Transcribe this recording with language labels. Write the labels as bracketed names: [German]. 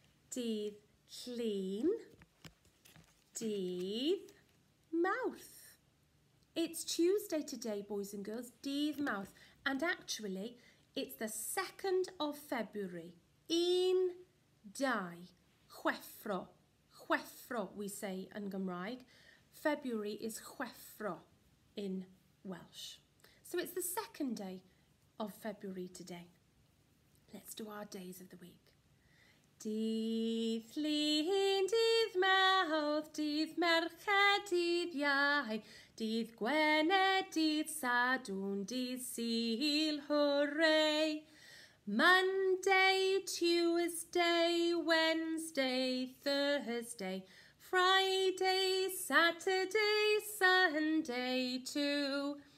[Welsh] Dydd Llun, dydd Mawrth. [English] It's Tuesday today, boys and girls, [Welsh] dydd Mawrth. [English] And actually, it's the 2nd of February. [Welsh] Un, dau. Chweffro. Chweffro, [English] we say [Welsh] yn Gymraeg. [English] February is chweffro in Welsh. So it's the second day of February today. Let's do our days of the week. [Welsh] Dydd Llun, dydd Mawrth, dydd Merched, dydd Iau, dydd Gwener, dydd Sadwrn, dydd Sul, hooray. [English] Monday, Tuesday, Wednesday, Thursday, Friday, Saturday, Sunday too.